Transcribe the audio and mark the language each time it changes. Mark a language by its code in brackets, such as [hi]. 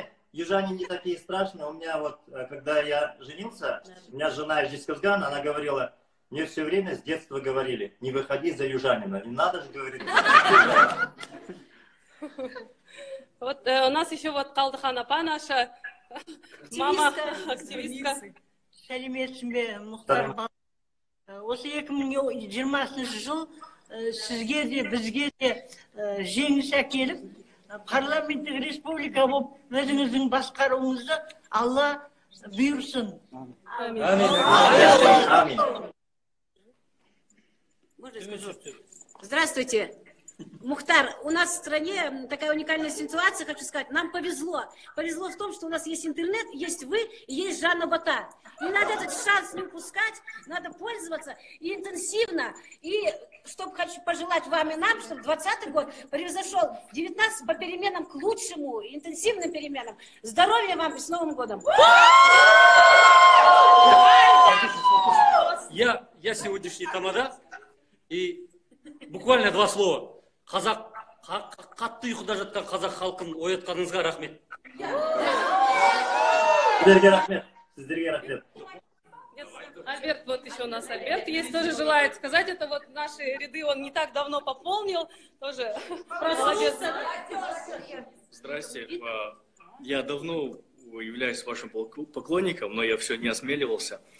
[ru] Южане не такие страшные. У меня вот, когда я женился, у меня жена из Жезказгана, она говорила, мне все время с детства говорили, не выходи за южанина, не надо же говорить. Вот у нас еще вот Талдыхан апа наша, мама активистка. [kk] Сәлеметсің бе, Мұхтар? Осы 2020 жыл сізге де бізге де жеңіс әкеліп парламенттік республика боп өзіңіздің басқаруыңызды Алла бұйырсын. Амин. Амин. Амин. [ru] Здравствуйте. Мухтар, у нас в стране такая уникальная ситуация, хочу сказать, нам повезло. Повезло в том, что у нас есть интернет, есть вы, есть Жанна Бота. Не надо этот шанс не упускать, надо пользоваться и интенсивно. И чтоб, хочу пожелать вам и нам, чтобы 20-й год превзошел 19 по переменам к лучшему, интенсивным переменам. Здоровья вам и с Новым годом! Я сегодняшний тамада, и буквально два слова. [kk] Қатты ұйқыда жатқан қазақ халқын оятқаныңызға рахмет. Сіздерге рахмет. Сіздерге рахмет. [ru] Альберт, вот еще у нас Альберт есть, тоже желает сказать. Это вот наши ряды, он не так давно пополнил. Тоже молодец. Здрасте. Я давно являюсь вашим поклонником, но я все не осмеливался.